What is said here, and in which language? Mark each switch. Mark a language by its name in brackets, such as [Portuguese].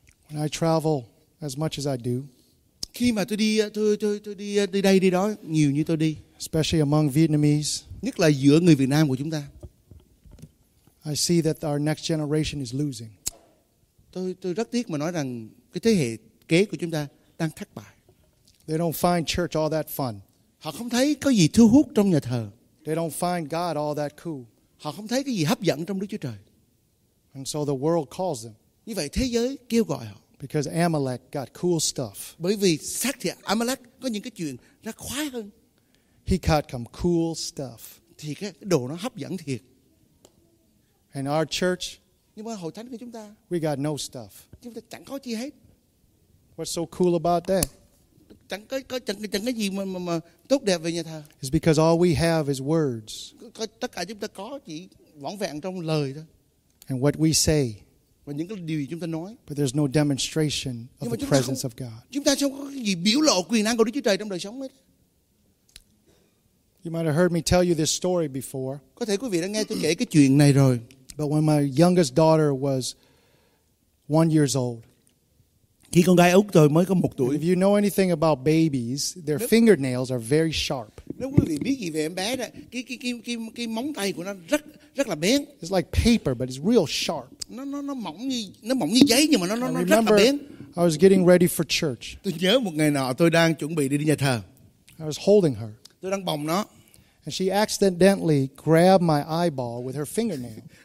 [English] I travel as much as I do. [Vietnamese] Khi mà tôi đi đây đi đó nhiều như tôi đi. [English] Especially among Vietnamese. [Vietnamese] Nhất là giữa người Việt Nam của chúng ta. [English] I see that our next generation is losing. [Vietnamese] Tôi rất tiếc mà nói rằng cái thế hệ kế của chúng ta đang thất bại. [English] They don't find church all that fun. [Vietnamese] Họ không thấy có gì thu hút trong nhà thờ. [English] They don't find God all that cool. [Vietnamese] Họ không thấy cái gì hấp dẫn trong Đức Chúa Trời. [English] And so the world calls them. [Vietnamese] Như vậy thế giới kêu gọi họ. [English] Because Amalek got cool stuff. [Vietnamese] Bởi vì xác thịt Amalek có những cái chuyện rất khoái hơn. [English] He got some cool stuff. [Vietnamese] thì cái đồ nó hấp dẫn thiệt. [English] In our church, [Vietnamese] nhưng mà hội thánh của chúng ta, [English] we got no stuff. [Vietnamese] Chúng ta chẳng có gì hết. [English] What's so cool about that? [Vietnamese] Chẳng có gì mà tốt đẹp về nhà thờ. [English] It's because all we have is words. [Vietnamese] Tất cả chúng ta có chỉ vỏn vẹn trong lời thôi. [English] And what we say. [Vietnamese] Và những cái điều chúng ta nói. [English] But there's no demonstration of the presence [Vietnamese] không, [English] of God. [Vietnamese] Chúng ta không có gì biểu lộ quyền năng của Đức Chúa Trời trong đời sống hết. [English] You might have heard me tell you this story before. [Vietnamese] Có thể quý vị đã nghe tôi kể cái chuyện này rồi. [English] But when my youngest daughter was 1 year old. [Vietnamese] Khi con gái út tôi mới có 1 tuổi. [English] If you know anything about babies, their fingernails are very sharp. [Vietnamese] Nếu quý vị biết gì về em bé đó, cái móng tay của nó rất là bén. [English] It's like paper, but it's real sharp. [Vietnamese] Nó mỏng như giấy nhưng mà nó rất là bén. [English] I was getting ready for church. [Vietnamese] Tôi nhớ một ngày nọ tôi đang chuẩn bị đi nhà thờ. [English] I was holding her. [Vietnamese] Tôi đang bồng nó. [English] And she accidentally grabbed my eyeball with her fingernail.